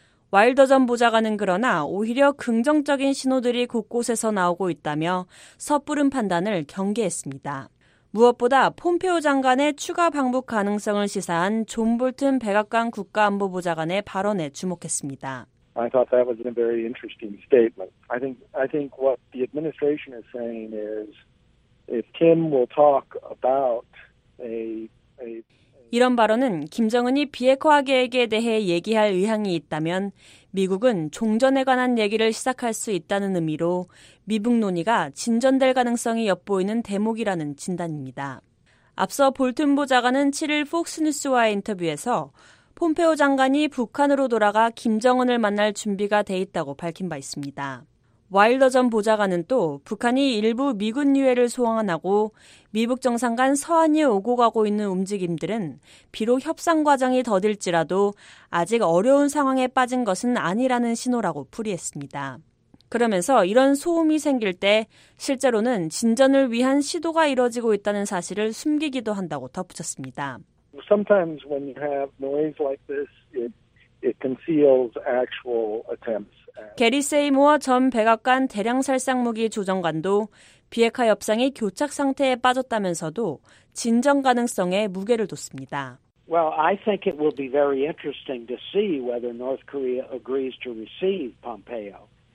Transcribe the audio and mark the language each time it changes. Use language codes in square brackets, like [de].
[ko] 와일더 전 보좌관은 그러나 오히려 긍정적인 신호들이 곳곳에서 나오고 있다며 섣부른 판단을 경계했습니다. 무엇보다 폼페오 장관의 추가 방북 가능성을 시사한 존 볼튼 백악관 국가안보보좌관의 발언에 주목했습니다. [en] I thought that was a very interesting statement. I think what the administration is saying is if Kim will talk about a [ko] 이런 발언은 김정은이 비핵화 계획에 대해 얘기할 의향이 있다면 미국은 종전에 관한 얘기를 시작할 수 있다는 의미로 미북 논의가 진전될 가능성이 엿보이는 대목이라는 진단입니다. 앞서 볼튼 보좌관은 7일 폭스뉴스와의 인터뷰에서 폼페오 장관이 북한으로 돌아가 김정은을 만날 준비가 돼 있다고 밝힌 바 있습니다. 와일더 전 보좌관은 또 북한이 일부 미군 유해를 소환하고 미북 정상 간 서한이 오고 가고 있는 움직임들은 비록 협상 과정이 더딜지라도 아직 어려운 상황에 빠진 것은 아니라는 신호라고 풀이했습니다. 그러면서 이런 소음이 생길 때 실제로는 진전을 위한 시도가 이뤄지고 있다는 사실을 숨기기도 한다고 덧붙였습니다. [en] Sometimes when you have noise like this, it conceals actual attempts. [ko] 게리 세이모어 전 백악관 대량살상무기 조정관도 비핵화 협상이 교착 상태에 빠졌다면서도 진전 가능성에 무게를 뒀습니다. [en] Well, I think it will be very interesting to see whether North Korea agrees to receive Pompeo.